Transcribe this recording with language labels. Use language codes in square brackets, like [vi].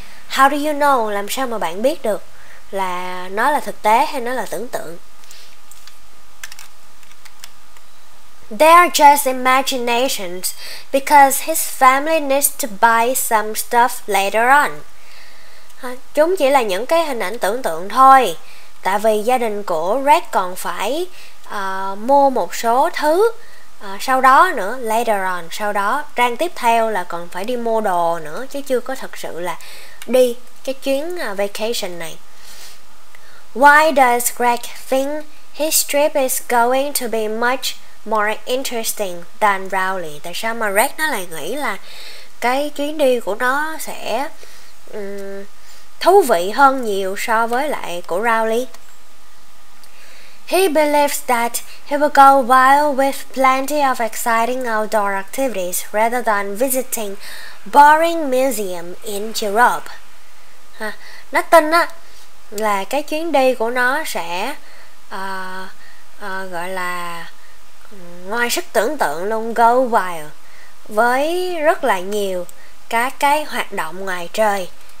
[en] How do you know, [vi] làm sao mà bạn biết được là nó là thực tế hay nó là tưởng tượng? [en] They are just imaginations because his family needs to buy some stuff later on. [vi] Chúng chỉ là những cái hình ảnh tưởng tượng thôi, tại vì gia đình của Greg còn phải mua một số thứ sau đó nữa, [en] later on, [vi] sau đó, trang tiếp theo là còn phải đi mua đồ nữa, chứ chưa có thật sự là đi cái chuyến vacation này. [en] Why does Greg think his trip is going to be much more interesting than Rowley? [vi] Tại sao mà Greg nó lại nghĩ là cái chuyến đi của nó sẽ thú vị hơn nhiều so với lại của Rowley? [en] He believes that he will go wild with plenty of exciting outdoor activities rather than visiting boring museum in Europe. [vi] Nó tin á là cái chuyến đi của nó sẽ gọi là ngoài sức tưởng tượng luôn, go wild, với rất là nhiều các cái hoạt động ngoài trời,